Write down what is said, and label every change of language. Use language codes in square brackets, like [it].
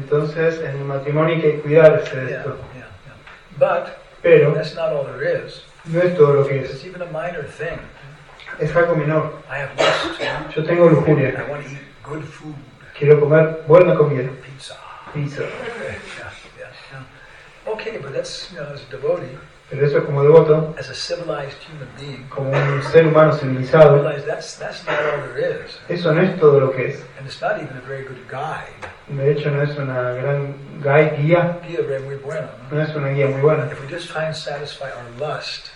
[es] Entonces en el matrimonio hay que cuidarse de esto. [en] Yeah. But. [es] Pero. [en] That's not all there is. [es] No es todo lo que es. [en] It's even a minor thing. [es] Es algo menor. [en] I have lust. [es] Yo tengo lujuria. [en] I want to eat good food. [es] Quiero comer buena comida. [en] Pizza. [es] Pizza. [en] Yeah. Okay, but that's, you know, as a devotee. [es] Pero eso como devoto, [en] as a civilized human being, [es] como un ser humano civilizado, [en] realize that's not all there is. [es] Eso no es todo lo que es. [en] And it's not even a very good guide. [es] De hecho, no es una gran guía. No es una guía muy buena. [en] If we just try and satisfy our lust,